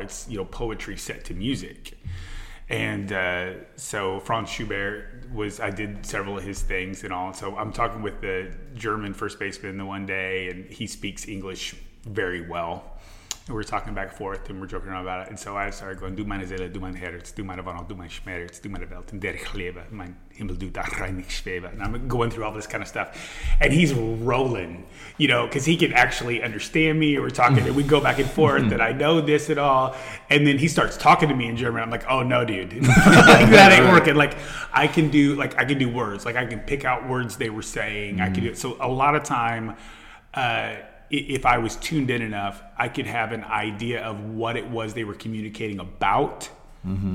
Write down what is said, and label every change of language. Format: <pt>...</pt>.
<en>It's, you know, poetry set to music. And so Franz Schubert I did several of his things and all. So I'm talking with the German first baseman the one day, and he speaks English very well. And we're talking back and forth, and we're joking around about it. And so I started going,</en> <de>Du meine Seele, du mein Herz, du meine Wohnung, du mein Schmerz, du meine Welt, der ich lebe, mein Himmel, du da rein ich schwebe.</de> <en>And I'm going through all this kind of stuff. And he's rolling, you know, because he can actually understand me. We're talking, and we go back and forth, that I know this and all. And then he starts talking to me in German. I'm like, oh, no, dude. Like, that ain't working. Like, I can do words. Like, I can pick out words they were saying. Mm-hmm. I can do it. So a lot of time, if I was tuned in enough, I could have an idea of what it was they were communicating about, mm-hmm.</en>